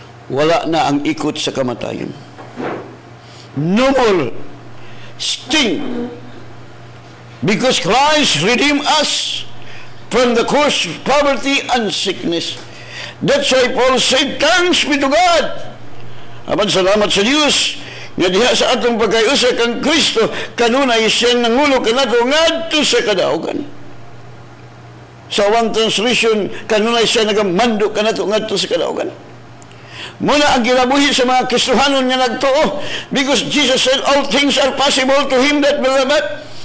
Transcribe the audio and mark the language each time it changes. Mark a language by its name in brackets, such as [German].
[Cebuano] Wala na ang ikot sa kamatayon. [English] No more sting. Because Christ redeemed us from the curse of poverty and sickness. That's why Paul said, thanks be to God. [Cebuano] Apan salamat sa Dios nga diha sa atong pagkayusa kang Kristo, kanunay siya nangulo kanato ngadto sa kadaogan. Sa [English] one translation, [Cebuano] kanunay siya nagamando kanato ngadto sa kadaogan. Muna ang ginabuhi sa mga Kristohanon nga nagtuo, [English] because Jesus said, all things are possible to him that believeth.